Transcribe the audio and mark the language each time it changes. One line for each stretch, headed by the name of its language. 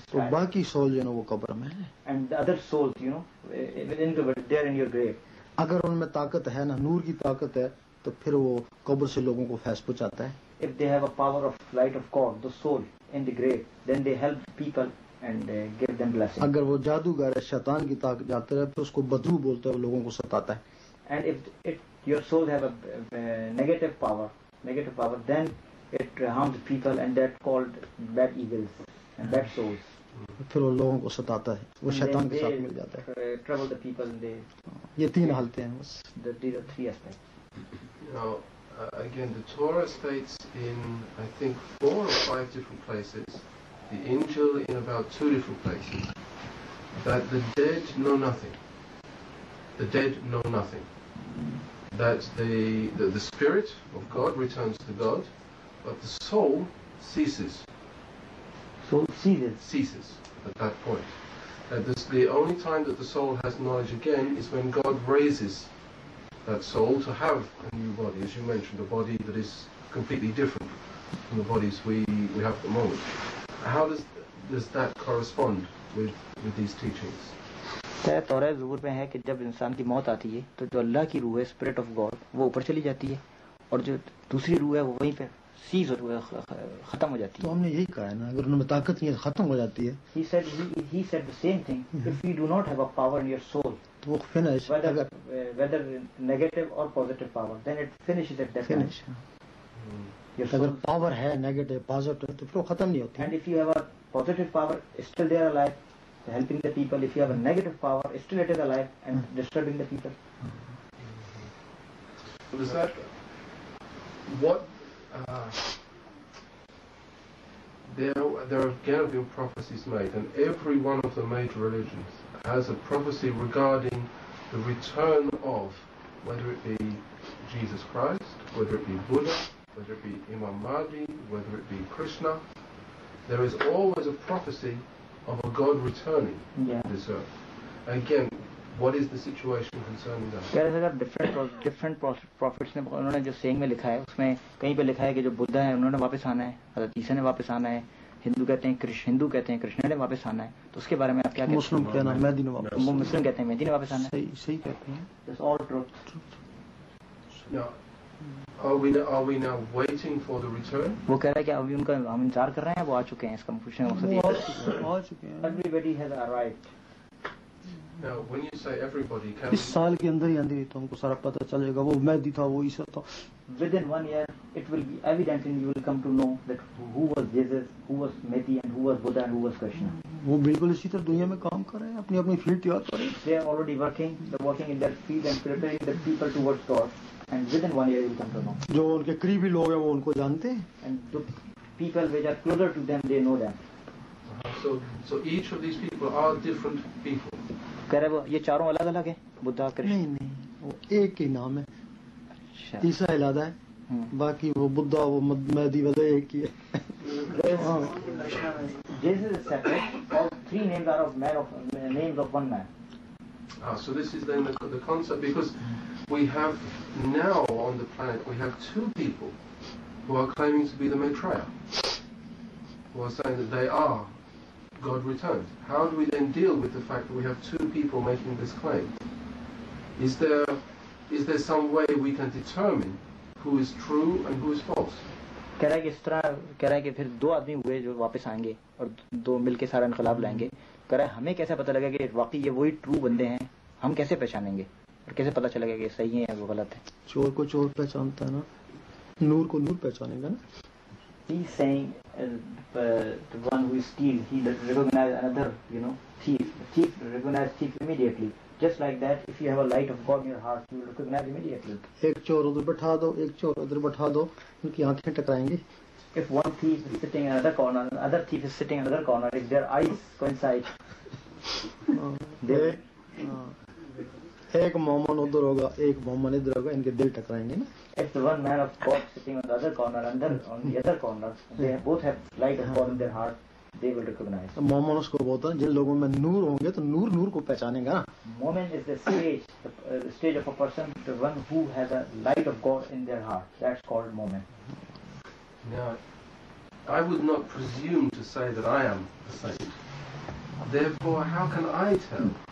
Urdu: باقی سول جو وہ قبر میں, اگر ان میں طاقت ہے نا, نور کی طاقت ہے, تو پھر وہ قبر سے لوگوں کو فیض پہنچاتا ہے.
English: If they have a power of light of God, the soul in the grave, then they help people and give them blessing.
Urdu: اگر وہ جادوگر ہے, شیطان کی طاقت جاتا ہے, تو اس کو بدرو بولتا ہے, لوگوں کو ستاتا ہے.
English: And if your soul have a negative power, then it harms people and that called bad evils and bad souls.
Urdu: پھر وہ لوگوں کو ستاتا ہے, وہ شیطان کے ساتھ مل جاتا ہے.
English: Trouble the people and they.
Urdu: یہ تین حالتیں ہیں بس.
English: These are three aspects. Now, again, the Torah states in, I think, four or five different places, the Injil in about two different places, that the dead know nothing. The dead know nothing. That the Spirit of God returns to God, but the soul ceases. Soul ceases? Ceases at that point. That this, the only time that the soul has knowledge again is when God raises that soul to have a new body, as you mentioned, a body that is completely different from the bodies we have at the moment. How does that correspond with these teachings?
Urdu: تو طور زبر میں ہے کہ جب انسان کی موت آتی ہے تو جو اللہ کی روح ہے,
English: spirit of God,
Urdu: وہ اوپر چلی جاتی ہے, اور جو دوسری روح ہے وہ وہیں پہ سیز اور ختم ہو جاتی ہے. تو ہم نے یہی کہا ہے نا, اگر ان میں طاقت نہیں ہے ختم ہو جاتی ہے.
English: He said the same thing. If you do not have a power in your soul, finish, whether negative or positive power, then it finishes at that finish. Time.
Urdu: اگر پاور ہے نیگیٹو پازیٹو تو پھر وہ ختم نہیں ہوتی.
English: And if you have a positive power, still there alive, helping the people. If you have a negative power, still it is alive and disturbing the people. So is that what there are going to be prophecies made, and every one of the major religions has a prophecy regarding the return of, whether it be Jesus Christ, whether it be Buddha, whether it be Imam Mahdi, whether it be Krishna, there is always a prophecy of a God returning this earth. Again, what is the situation concerning that?
Urdu: کہہ رہے ہیں کہ
English: different prophets
Urdu: نے, انہوں نے جو سینگ میں لکھا ہے اس میں کہیں پہ لکھا ہے کہ جو بدھا ہے انہوں نے واپس آنا ہے, حضرت عیسیٰ نے واپس آنا ہے, ہندو کہتے ہیں کرشنا نے واپس آنا ہے, تو اس کے بارے میں آپ کیا کہتے ہیں؟ مسلم کہنا مہدی نے واپس, مسلم کہتے ہیں مہدی نے واپس آنا ہے, صحیح کہتے ہیں.
English: That's all truth. Are we now waiting for the return?
Urdu: وہ کہہ رہا ہے کہ ابھی ان کا ہم انتظار کر رہے ہیں, وہ آ چکے ہیں. اس کا مقصد یہ ہے,
English: everybody has arrived. Now, when you say everybody,
Urdu: اس سال کے اندر ہی اندر ہی تم کو سارا پتہ چلے گا, وہ مہدی تھا, وہ عیسیٰ تھا.
English: Within one year, it will be evident and you will come to know that who was Jesus, who was Mehdi, and who was Buddha, and who was Krishna.
Urdu: وہ بالکل اسی طرح دنیا میں کام کر رہے ہیں, اپنی اپنی فیلڈ تیار کر رہے ہیں.
English: They are already working, they're working in their field and preparing the people towards God. And within one year, you come to know.
Urdu: جو ان کے قریبی لوگ ہیں وہ ان کو جانتے ہیں.
English: And the people which are closer to them, they know them. So each of these people are different people.
Urdu: کہہ رہے وہ یہ چاروں الگ الگ ہیں, بدھا کرشن. نہیں, وہ ایک ہی نام ہے, عیسیٰ علیحدہ ہے, باقی وہ بدھا, وہ مہدی وغیرہ ایک ہی ہے.
English: Jesus is separate. All three names are of man, of names of one man. So this is then the concept, because we have now on the planet, we have two people who are claiming to be the Maitreya, who are saying that they are God returned. How do we then deal with the fact that we have two people making this claim? Is there some way we can determine who is true and who is false?
Urdu: کہہ رہا ہے کہ اس طرح کہہ رہا ہے کہ پھر دو آدمی ہوئے جو واپس آئیں گے اور دو مل کے سارا انقلاب لائیں گے. کہہ رہا ہے ہمیں کیسے پتہ لگے کہ واقعی یہ وہی ٹرو بندے ہیں, ہم کیسے پہچانیں گے اور کیسے پتہ چلے گا کہ صحیح ہیں یا وہ غلط ہیں؟ چور کو چور پہچانتا ہے نا, نور کو نور پہچانے گا نا.
English: He's saying the one who steals, he does recognize another, you know, thief. The thief recognizes thief immediately. Just like that, if you have a light of God in your heart, you will recognize immediately.
Urdu: Ek chor udhar batha do, unki aankhein takrayenge.
English: If one thief is sitting in another corner, another thief is sitting in another corner, if their eyes coincide,
Urdu: ایک مومن ادھر ہوگا ایک مومن ادھر ہوگا, ان کے دل ٹکرائیں گے نا.
English: It's the one man of God sitting on the other corner and then on the other corner, they both have light of God in their heart, they will recognize.
Urdu: مومن اس کو بولتا ہے جن لوگوں میں نور ہوں گے تو نور نور کو پہچانے گا.
English: مومن is the stage of a person, the one who has a light of God in their heart, that's called مومن. Now, I would not presume to say that I am a saint, therefore how can I tell?